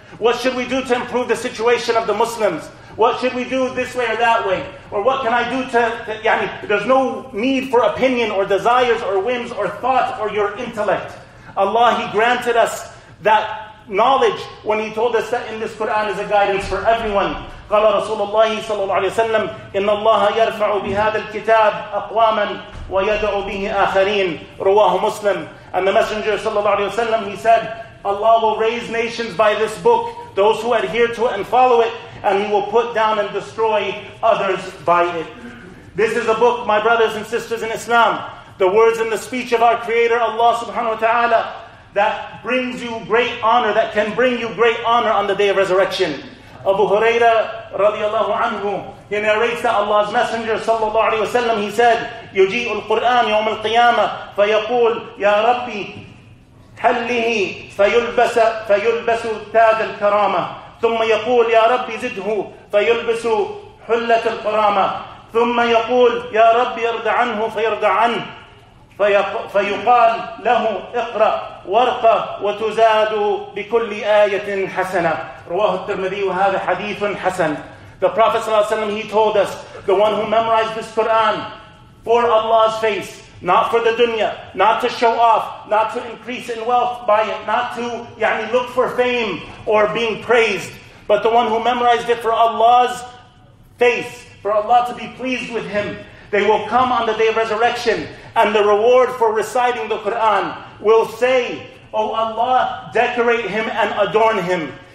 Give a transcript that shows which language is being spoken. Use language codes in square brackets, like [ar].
[en] What should we do to improve the situation of the Muslims? What should we do this way or that way? Or what can I do to there's no need for opinion or desires or whims or thoughts or your intellect. Allah, He granted us that knowledge when He told us that in this Quran is a guidance for everyone. [ar] قال رسول الله صلى الله عليه وسلم إن الله يرفع بهذا الكتاب أقواما ويدعو به آخرين رواه مسلم. [en] And the Messenger [ar] صلى الله عليه وسلم, [en] he said, Allah will raise nations by this book, those who adhere to it and follow it, and He will put down and destroy others by it. This is a book, my brothers and sisters in Islam, the words and the speech of our Creator Allah subhanahu wa ta'ala, that brings you great honor, that can bring you great honor on the Day of Resurrection. Abu Huraira radiallahu anhu, he narrates that Allah's Messenger sallallahu alayhi wa sallam, he said, [ar] يُجِيءُ الْقُرْآنِ يَوْمَ الْقِيَامَةِ فَيَقُولُ يَا رَبِّي حَلِّهِ فَيُلْبَسُ تَاجَ الْكَرَامَةِ ثُمَّ يَقُولُ يَا رَبِّي زِدْهُ فَيُلْبَسُ حُلَّةَ الْكَرَامَةِ ثُمَّ يَقُولُ يَا رَبِّي ارْضَ عَنْهُ فَيَرْضَ عَنْهُ فَيُقَالُ لَهُ اقْرَأْ وَارْقَ وَتُزَادُ بِكُلِّ آيَةٍ حَسَنَةً رواه الترمذي وهذا حديث حسن. [en] The Prophet [ar] صلى الله عليه وسلم, [en] he told us, the one who memorized this Quran for Allah's face, not for the dunya, not to show off, not to increase in wealth by it, not to look for fame or being praised, but the one who memorized it for Allah's face, for Allah to be pleased with him, they will come on the Day of Resurrection, and the reward for reciting the Quran will say, oh Allah, decorate him and adorn him.